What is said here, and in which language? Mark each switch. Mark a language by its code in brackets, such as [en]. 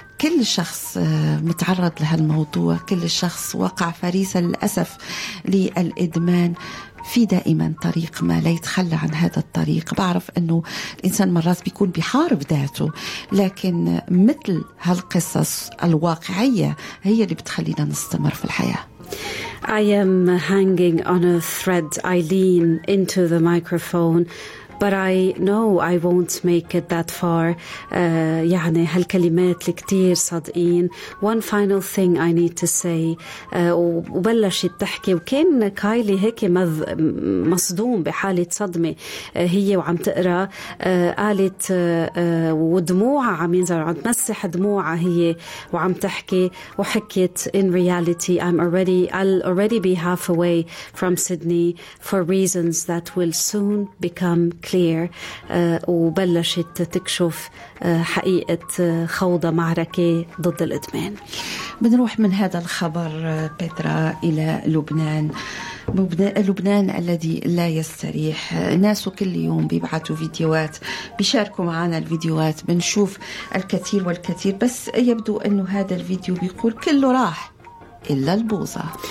[ar] كل شخص متعرض لهالموضوع, كل شخص وقع فريسة للأسف للإدمان, في دائما طريق ما لا يتخلى عن هذا الطريق. بعرف أنه الإنسان مرات بيكون بيحارب ذاته, لكن مثل هالقصص الواقعية هي اللي بتخلينا نستمر في الحياة. [en] I am hanging on a thread, I lean into the microphone, but I know I won't make it that far. [ar] يعني هالكلمات الكتير صادقين. [en] One final thing I need to say. [ar] وبلشت تحكي, وكان كايلي هيك مصدوم بحالة صدمة هي وعم تقرأ. قالت ودموعها عم ينزل, عم تمسح دموعها هي وعم تحكي, وحكيت [en] in reality I'll already be halfway from Sydney for reasons that will soon become clear. [ar] وبلشت تكشف حقيقة خوض معركة ضد الإدمان. بنروح من هذا الخبر بيترا إلى لبنان. لبنان الذي لا يستريح, ناس كل يوم بيبعثوا فيديوهات, بيشاركوا معنا الفيديوهات, بنشوف الكثير والكثير, بس يبدو أنه هذا الفيديو بيقول كله راح إلا البوظة.